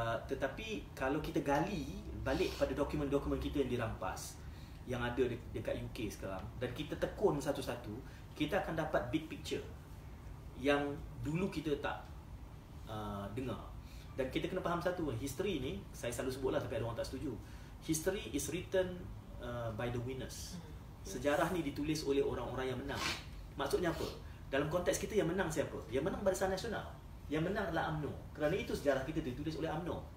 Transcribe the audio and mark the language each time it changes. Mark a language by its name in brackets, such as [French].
[Malay] Tetapi kalau kita gali balik pada dokumen-dokumen kita yang dirampas yang ada dekat UK sekarang, dan kita tekun satu-satu, kita akan dapat [English] big picture [Malay] yang dulu kita tak dengar. Dan kita kena faham satu, history ni saya selalu sebutlah tapi ada orang tak setuju. [English] History is written by the winners. [Malay] Sejarah ni ditulis oleh orang-orang yang menang. Maksudnya apa? Dalam konteks kita, yang menang siapa? Yang menang Barisan Nasional. Yang menang adalah UMNO. Kerana itu sejarah kita ditulis oleh UMNO.